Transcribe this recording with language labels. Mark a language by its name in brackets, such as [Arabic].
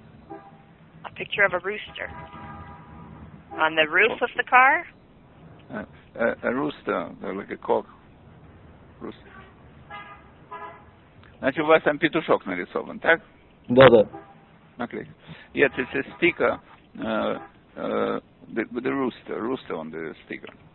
[English] A picture of a rooster on the roof of the car. A rooster, like a cock. Rooster. [Russian] Значит, у вас там петушок нарисован, так? Да, да. [English] Okay. Yes, it's a sticker with a rooster on the sticker.